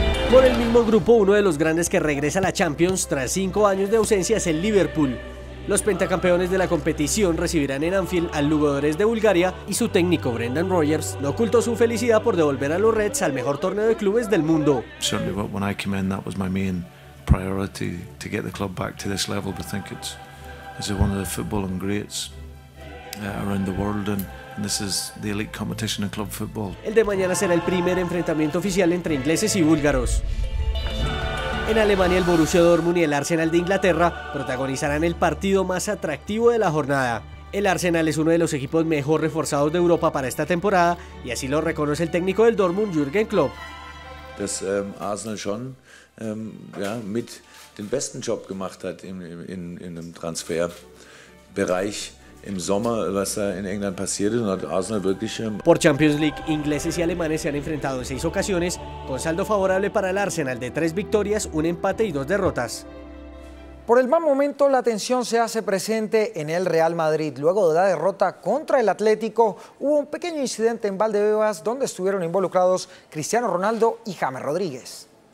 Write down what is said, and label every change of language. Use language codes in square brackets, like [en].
[es] Por el mismo grupo, uno de los grandes que regresa a la Champions tras 5 años de ausencia es el Liverpool. Los pentacampeones de la competición recibirán en Anfield al Lugodores de Bulgaria y su técnico Brendan Rodgers no ocultó su felicidad por devolver a los Reds al mejor torneo de clubes del mundo. [en] Certainly, but when I came in, that was my main priority, to get the club back to this level. I think it's one of the footballing greats around the world. This is the elite competition in club football. [es] El de mañana será el primer enfrentamiento oficial entre ingleses y búlgaros. En Alemania, el Borussia Dortmund y el Arsenal de Inglaterra protagonizarán el partido más atractivo de la jornada. El Arsenal es uno de los equipos mejor reforzados de Europa para esta temporada y así lo reconoce el técnico del Dortmund, Jürgen Klopp. [de] Das Arsenal schon ja, mit den besten Job gemacht hat in dem Transferbereich. Im Sommer, was da in England passiert ist, hat Arsenal wirklich. [es] Por Champions League, ingleses y alemanes se han enfrentado en 6 ocasiones, con saldo favorable para el Arsenal de 3 victorias, 1 empate y 2 derrotas. Por el mal momento, la tensión se hace presente en el Real Madrid. Luego de la derrota contra el Atlético, hubo un pequeño incidente en Valdebebas donde estuvieron involucrados Cristiano Ronaldo y James Rodríguez.